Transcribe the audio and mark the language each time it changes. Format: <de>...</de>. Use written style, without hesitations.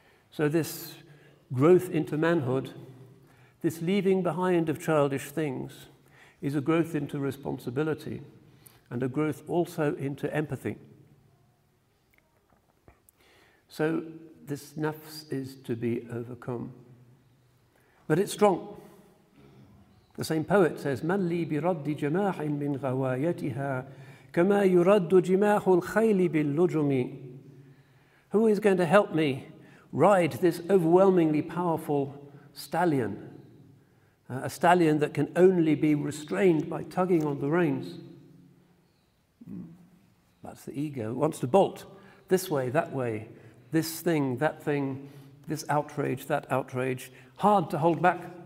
<en>So this growth into manhood, this leaving behind of childish things, is a growth into responsibility and a growth also into empathy. So this nafs is to be overcome. But it's strong. The same poet says,</en> <ar>مَنْ لِي بِرَدِّ جَمَاحٍ مِنْ غَوَايَتِهَا كَمَا يُرَدُّ جِمَاحُ الْخَيْلِ بِاللُّجُمِ.</ar> <en>Who is going to help me ride this overwhelmingly powerful stallion, a stallion that can only be restrained by tugging on the reins? That's the ego. It wants to bolt this way, that way, this thing, that thing, this outrage, that outrage. Hard to hold back.</en>